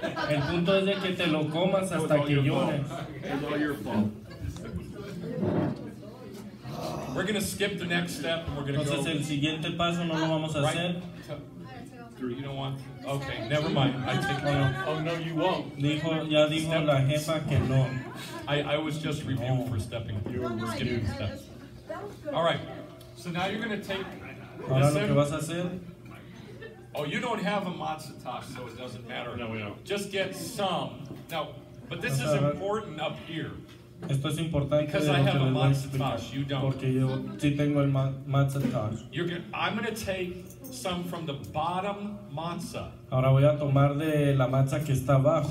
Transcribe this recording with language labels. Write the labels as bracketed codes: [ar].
[es] El punto es de que te lo comas hasta que llores. [en] We're going to skip the next step and we're going to go. [es] Entonces el siguiente paso no lo vamos a hacer. [en] Through. You don't want to. Okay, never mind. I take it. Oh, no, you won't. [es] Dijo, ya dijo la jefa que no. [en] I was just reviewing for stepping. You're skipping the steps. All right. So now you're going to take. [es] Ahora lo que vas a hacer. [en] Oh, you don't have a matzah tash, so it doesn't matter. No, we don't. Just get some. Now, but this is important up here. [es] Esto es importante. [en] Because I have a matzah tash, you don't. [es] Porque yo sí tengo el matzah tash. [en] I'm going to take some from the bottom matzah. [es] Ahora voy a tomar de la matzah que está abajo.